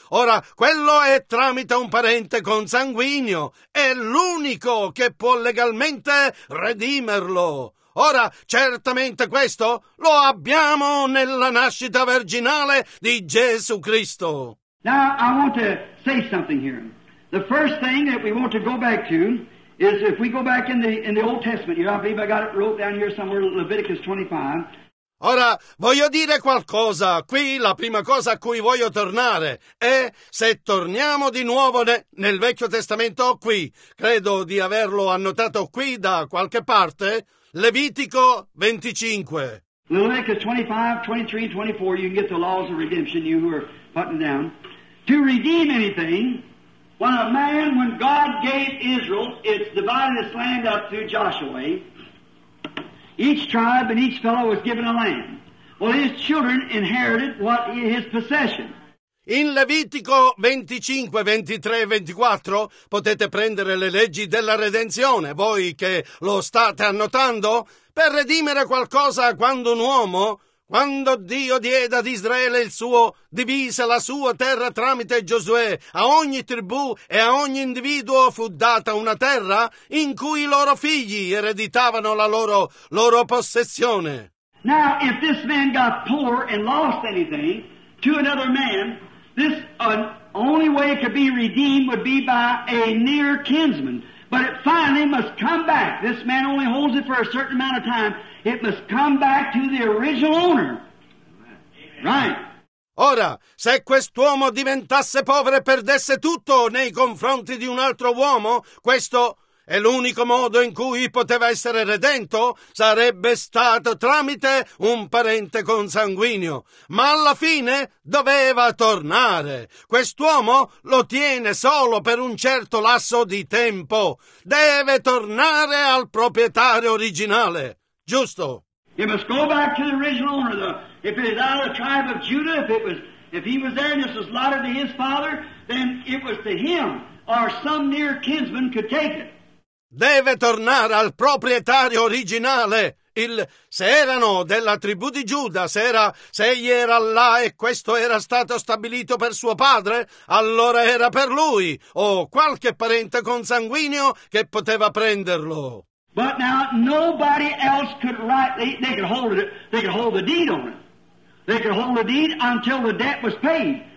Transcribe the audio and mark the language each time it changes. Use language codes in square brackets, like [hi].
[it] Ora, quello è tramite un parente consanguigno. È l'unico che può legalmente redimerlo. Ora, certamente questo lo abbiamo nella nascita virginale di Gesù Cristo. [en] Now, I want to say something here. The first thing that we want to go back to is if we go back in the Old Testament here, I believe I got it wrote down here somewhere, Leviticus 25. [it] Ora, voglio dire qualcosa. Qui la prima cosa a cui voglio tornare è se torniamo di nuovo nel Vecchio Testamento qui. Credo di averlo annotato qui da qualche parte. Levitico 25. [en] Leviticus 25, 23, 24, you can get the laws of redemption, you who are putting down. To redeem anything, when God gave Israel, it's divided this land up through Joshua, each tribe and each fellow was given a land. Well, his children inherited what his possession. [it] In Levitico 25, 23 e 24 potete prendere le leggi della redenzione, voi che lo state annotando. Per redimere qualcosa quando un uomo, quando Dio diede ad Israele il suo, divise la sua terra tramite Giosuè, a ogni tribù e a ogni individuo fu data una terra in cui i loro figli ereditavano la loro possessione. [en] Now, if this man got poor and lost anything to another man, This only way to be redeemed would be by a near kinsman. But it finally must come back. This man only holds it for a certain amount of time. It must come back to the original owner. Right. [it] Ora, se quest'uomo diventasse povero e perdesse tutto nei confronti di un altro uomo, questo è l'unico modo in cui poteva essere redento? Sarebbe stato tramite un parente consanguigno. Ma alla fine doveva tornare. Quest'uomo lo tiene solo per un certo lasso di tempo. Deve tornare al proprietario originale. Giusto? [en] He must go back to the original owner, though. If it is out of the tribe of Judah, if he was there and this was allotted to his father, then it was to him, or some near kinsman could take it. [it] Deve tornare al proprietario originale. Se erano della tribù di Giuda, se egli era là e questo era stato stabilito per suo padre, allora era per lui o qualche parente consanguigno che poteva prenderlo. [en] But now nobody else could rightly, they could hold it, they could hold the deed on it. They could hold the deed until the debt was paid.